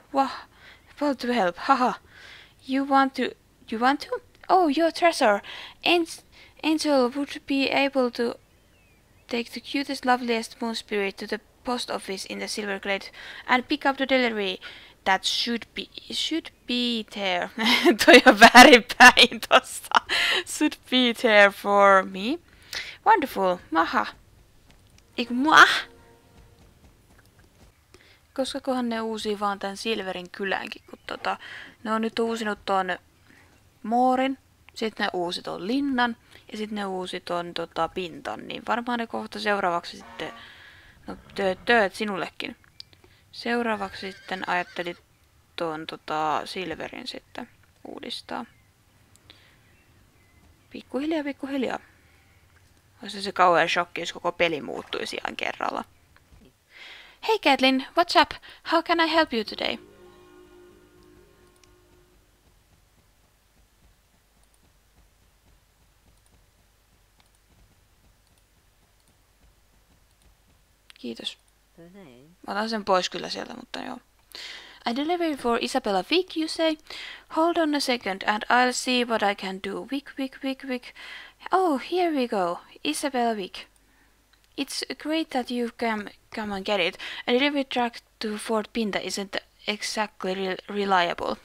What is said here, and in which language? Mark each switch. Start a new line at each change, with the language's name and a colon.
English: Well, to help, haha. You want to? Oh, your treasure! Angel would be able to take the cutest, loveliest moon spirit to the post office in the Silver Glade and pick up the delivery that should be there.
Finnish: Toi on väärin päin tossa.
English: Should be there for me. Wonderful! Maha! Ik mwah!
Finnish: Koska kohan ne uusii vaan tän Silverin kyläänkin, kun ne on nyt uusinut ton Moorin. Sitten ne uusi ton linnan ja sitten ne uusi ton pintan, niin varmaan ne kohta seuraavaksi sitten, no tööt sinullekin. Seuraavaksi sitten ajattelin ton Silverin sitten uudistaa. Pikkuhiljaa. Olisi se kauhean shokki, jos koko peli muuttuisi ihan kerralla.
English: Hey Caitlin, what's up? How can I help you today?
Finnish: Kiitos. Mä otan sen pois kyllä sieltä, mutta joo.
English: I deliver for Isabella Vick, you say? Hold on a second and I'll see what I can do. Vick, Vick, Vick, Vick. Oh, here we go. Isabella Vick. It's great that you can come and get it. A delivery truck to Fort Pinta isn't exactly reliable.